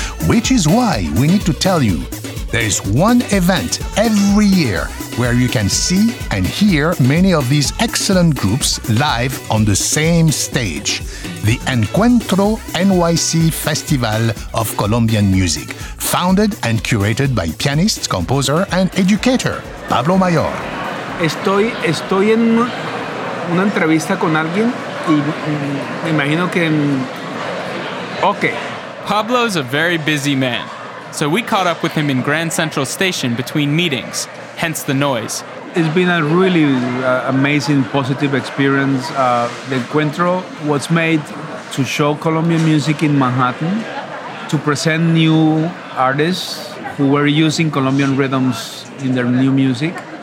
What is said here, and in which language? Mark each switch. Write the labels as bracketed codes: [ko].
[en] which is why we need to tell you there is one event every year where you can see and hear many of these excellent groups live on the same stage, the Encuentro NYC Festival of Colombian Music, founded and curated by pianist, composer, and educator Pablo Mayor. [es] Estoy en una entrevista con alguien y me imagino que... [en] Okay. Pablo's a very busy man, so we caught up with him in Grand Central Station between meetings, hence the noise. It's been a really amazing, positive experience. The Encuentro was made to show Colombian music in Manhattan, to present new artists who were using Colombian rhythms in their new music.